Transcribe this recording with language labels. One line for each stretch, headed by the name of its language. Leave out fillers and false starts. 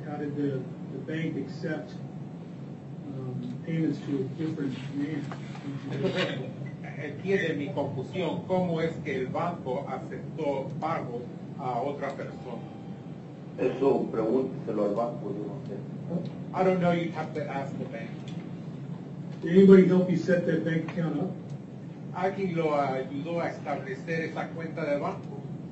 English: How did the bank accept payments to a different man?
Spanish: Entiende mi confusión. ¿Cómo es que el banco aceptó pagos a otra persona? Eso pregúnteselo al banco, yo no sé.
English: I don't know, you'd have to ask the bank. Did anybody help you set that bank account up?
Spanish: ¿Alguien lo ayudó a establecer esa cuenta de banco?